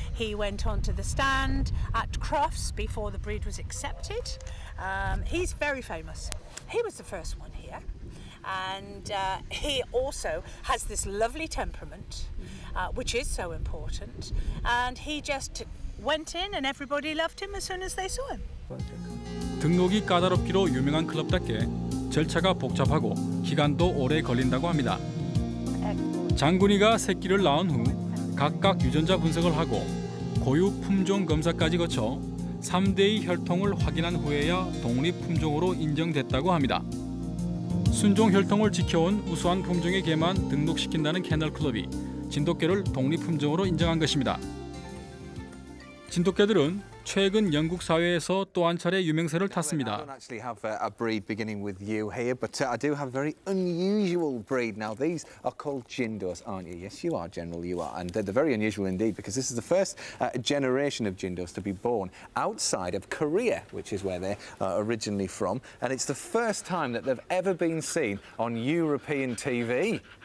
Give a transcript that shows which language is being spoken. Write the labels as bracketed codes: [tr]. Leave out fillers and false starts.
[en] He went on to the stand at Crofts before the breed was accepted. He's very famous. He was the first one here. And he also has this lovely temperament, which is so important. And he just went in and everybody loved him as soon as they saw him. [ko] 등록이 까다롭기로 유명한 클럽답게 절차가 복잡하고 기간도 오래 걸린다고 합니다. 장군이가 새끼를 낳은 후 각각 유전자 분석을 하고 고유 품종 검사까지 거쳐 3대의 혈통을 확인한 후에야 독립 품종으로 인정됐다고 합니다. 순종 혈통을 지켜온 우수한 품종의 개만 등록시킨다는 캐널 클럽이 진돗개를 독립 품종으로 인정한 것입니다. 진돗개들은 최근 영국 사회에서 또 한 차례 유명세를 탔습니다. [en] Now, I do have a very unusual breed. Now, these are called Jindos, aren't you? Yes, you are, General. You are, and they're the very unusual indeed, because this is the first generation of Jindos to be born outside of Korea, which is where they're originally from, and it's the first time that they've ever been seen on European TV.